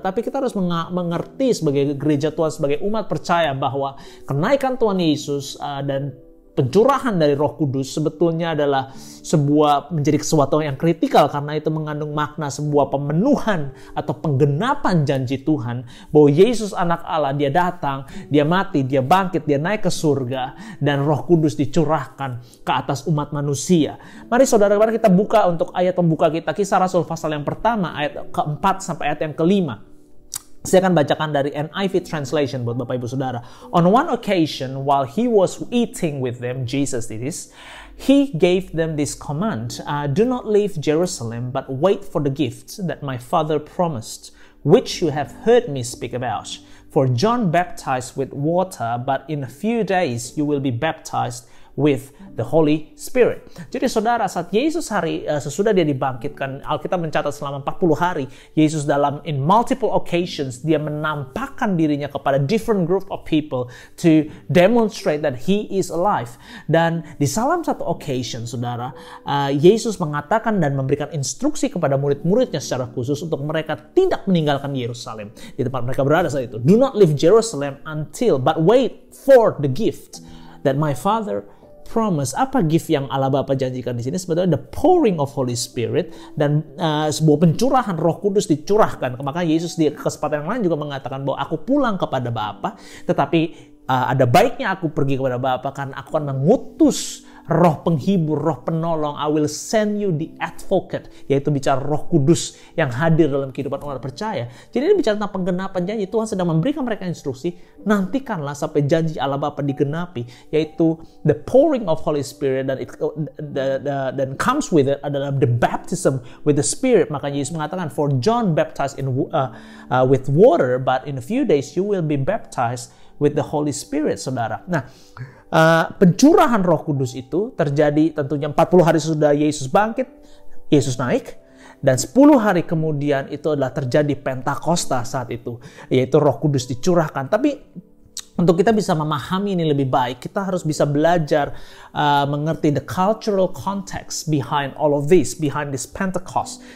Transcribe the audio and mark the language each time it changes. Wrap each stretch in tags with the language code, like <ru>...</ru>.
<id>Tapi kita harus mengerti sebagai gereja Tuhan, sebagai umat percaya, bahwa kenaikan Tuhan Yesus dan pencurahan dari Roh Kudus sebetulnya adalah sebuah, menjadi sesuatu yang kritikal, karena itu mengandung makna sebuah pemenuhan atau penggenapan janji Tuhan bahwa Yesus Anak Allah, dia datang, dia mati, dia bangkit, dia naik ke surga, dan Roh Kudus dicurahkan ke atas umat manusia. Mari Saudara-saudara, kita buka untuk ayat pembuka kita, Kisah Rasul pasal yang pertama ayat ke-4 sampai ayat yang ke-5. Saya akan bacakan dari NIV Translation buat Bapak Ibu Saudara.</id> <en>On one occasion, while he was eating with them, Jesus did this, he gave them this command, do not leave Jerusalem, but wait for the gift that my Father promised, which you have heard me speak about. For John baptized with water, but in a few days you will be baptized with the Holy Spirit.</en> <id>Jadi Saudara, saat Yesus hari sesudah dia dibangkitkan, Alkitab mencatat selama 40 hari Yesus dalam</id> <en>in multiple occasions</en> <id>dia menampakkan dirinya kepada</id> <en>different group of people to demonstrate that he is alive.</en> <id>Dan di salah satu occasion, Saudara, Yesus mengatakan dan memberikan instruksi kepada murid-muridnya secara khusus untuk mereka tidak meninggalkan Yerusalem, di tempat mereka berada saat itu.</id> <en>Do not leave Jerusalem until, but wait for the gift that my Father promise.</en> <id>Apa gift yang Allah Bapa janjikan di sini? Sebetulnya</id> <en>the pouring of Holy Spirit,</en> <id>dan sebuah pencurahan Roh Kudus dicurahkan. Maka Yesus di kesempatan yang lain juga mengatakan bahwa aku pulang kepada Bapa, tetapi ada baiknya aku pergi kepada Bapa karena aku akan mengutus Roh Penghibur, Roh Penolong.</id> <en>I will send you the Advocate,</en> <id>yaitu bicara Roh Kudus yang hadir dalam kehidupan orang percaya. Jadi ini bicara tentang penggenapan janji. Tuhan sedang memberikan mereka instruksi, nantikanlah sampai janji Allah Bapa digenapi, yaitu</id> <en>the pouring of Holy Spirit,</en> <id>dan</id> <en>that comes with it</en> <id>adalah</id> <en>the baptism with the Spirit.</en> <id>Maka Yesus mengatakan,</id> <en>for John baptized in with water, but in a few days you will be baptized with the Holy Spirit, Saudara.</en> <id>Nah, pencurahan Roh Kudus itu terjadi tentunya 40 hari sesudah Yesus bangkit, Yesus naik, dan 10 hari kemudian itu adalah terjadi Pentakosta saat itu, yaitu Roh Kudus dicurahkan. Tapi untuk kita bisa memahami ini lebih baik, kita harus bisa belajar mengerti</id> <en>the cultural context behind all of this, behind this Pentecost.</en>